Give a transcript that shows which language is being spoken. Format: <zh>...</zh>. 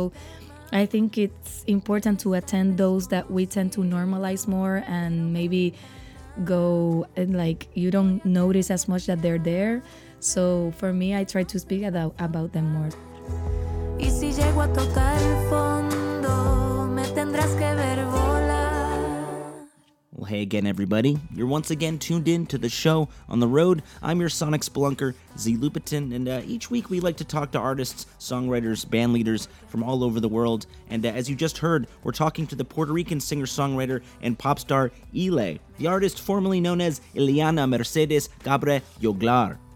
<en>So I think it's important to attend those that we tend to normalize more, and maybe go and like you don't notice as much that they're there. So for me, I try to speak about them more.</en> <es>Y si llego a tocar el fondo, me tendrás que ver volar.</es> <en>Well, hey again, everybody. You're once again tuned in to the show On the Road. I'm your sonic spelunker, Z Lupitin, and each week we like to talk to artists, songwriters, band leaders from all over the world. And as you just heard, we're talking to the Puerto Rican singer-songwriter and pop star, iLe, the artist formerly known as Ileana Mercedes Gabre Yoglar.</en>